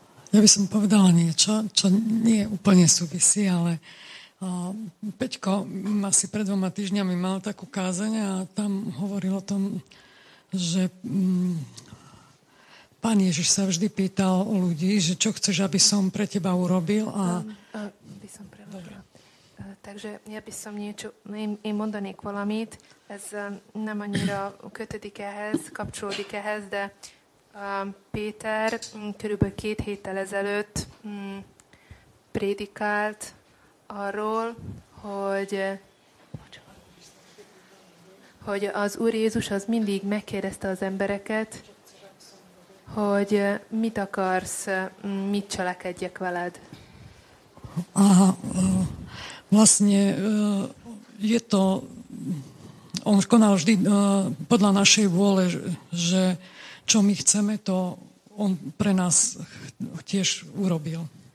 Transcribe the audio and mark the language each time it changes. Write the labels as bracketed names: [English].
[Slovak] Ja by som povedala niečo, čo nie úplne súvisí, ale Peťko asi pred dvoma týždňami mal takú kázeň a tam hovoril o tom, že Pán Ježiš sa vždy pýtal ľudí, že čo chceš, aby som pre teba urobil. A by som preložila. Takže ja by som niečo [Hungarian] im mondani kvalamit ez nem annyira kötődik ehhez, kapcsolódik ehhez, de Péter körülbelül 2 héttel ezelőtt prédikált arról, hogy az Úr Jézus az mindig megkérdezte az embereket, hogy mit akarsz, mit cselekedjek veled. [Slovak] A vlastne je to, on konal vždy podľa našej vôle, že čo my chceme, to on pre nás tiež urobil.